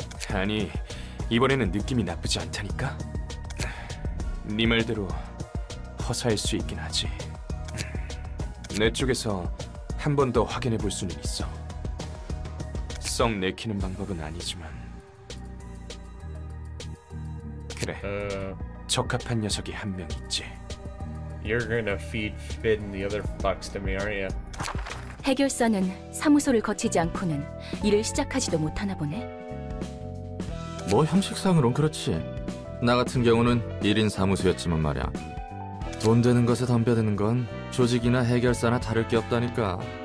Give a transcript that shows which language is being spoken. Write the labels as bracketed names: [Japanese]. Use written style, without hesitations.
[Korean] 아니, 이번에는 느낌이 나쁘지 않다니까? 네 말대로 허사일 수 있긴 하지. 내 쪽에서 한 번 더 확인해 볼 수는 있어. 썩 내키는 방법은 아니지만. 그래, 적합한 녀석이 한 명 있지. [English] You're gonna feed Finn the other fucks to me, aren't you? [Korean] 해결사는 사무소를 거치지 않고는 일을 시작하지도 못하나 보네. 뭐 형식상으론 그렇지. 나 같은 경우는 1인 사무소였지만 말이야. 돈 되는 것에 덤벼드는 건 조직이나 해결사나 다를 게 없다니까.